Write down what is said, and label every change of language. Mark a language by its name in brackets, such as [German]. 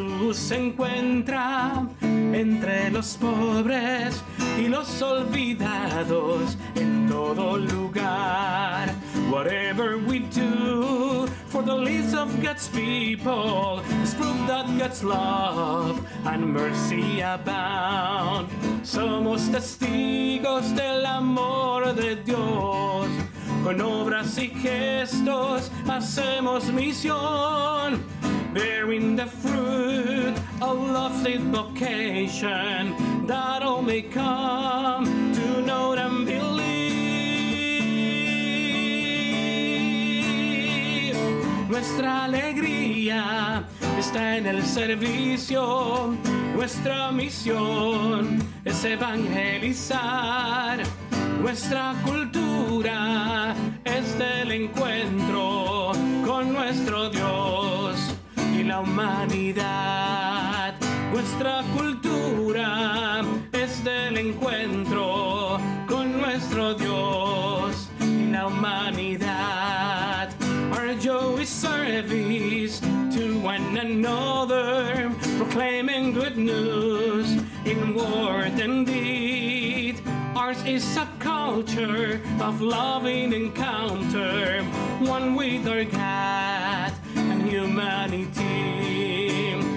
[Spanish] Se encuentra entre los pobres y los olvidados en todo lugar. [English] Whatever we do for the least of God's people is proof that God's love and mercy abound. [Spanish] Somos testigos del amor de Dios. Con obras y gestos hacemos misión. [English] Bearing the fruit of lovely vocation that all may come to know and believe. [Spanish] Nuestra alegría está en el servicio, nuestra misión es evangelizar. Nuestra cultura es del encuentro con nuestro Dios. La humanidad, nuestra cultura es del encuentro con nuestro Dios y la humanidad. [English] Our joy is service to one another, proclaiming good news in word and deed. Ours is a culture of loving encounter, one with our God and humanity.